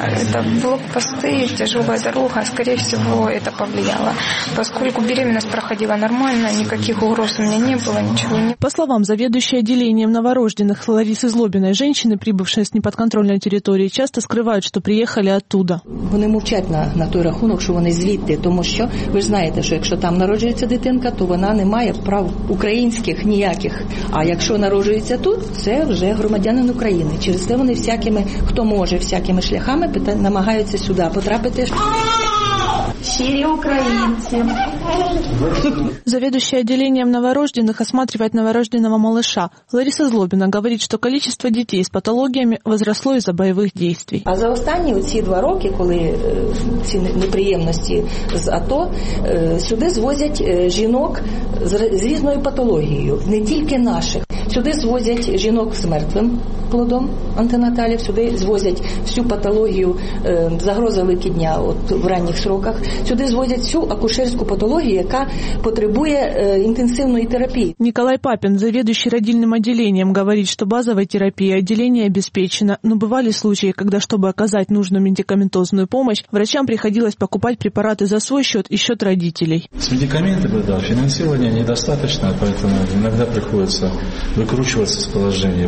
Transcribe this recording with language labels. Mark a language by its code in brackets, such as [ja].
[ru] Это блокпосты, тяжелая дорога. Скорее всего, это повлияло. Поскольку беременность проходила нормально, никаких угроз у меня не было, ничего не было. По словам заведующей отделением новорожденных Ларисы Злобиной, женщины, прибывшие с неподконтрольной территории, часто скрывают, что приехали оттуда. [uk] Вони мовчать на той рахунок, що вони звідти, тому що ви ж знаєте, що якщо там народжується дитинка, то вона не має прав українських ніяких. А якщо народжується тут, це вже громадянин України. Через це вони всякими, хто може, всякими шляхами намагаються сюди потрапити. Сірі українці. [ru] Заведующая отделением новорожденных осматривает новорожденного малыша. Лариса Злобина говорит, что количество детей с патологиями возросло из-за боевых действий. [uk] А за останні ці два роки, коли ці неприємності з АТО, сюди звозять жінок з різною патологією, не тільки наших. Сюди звозять жінок з мертвим плодом антинаталів, сюди звозять всю патологію загрози викидня от в ранніх сроках, сюди звозять всю акушерську патологію, яка потребує інтенсивної терапії. [ru] Николай Папін, заведующий родильним отделением, [uk] говорить, що базова терапія [ru] отделения обеспечена, но бывали случаи, когда, чтобы оказать нужную медикаментозную помощь, врачам приходилось покупать препараты за свой счет и счет родителей. С медикаментами, да, финансирование недостаточно, поэтому иногда приходится выкручиваться из положения.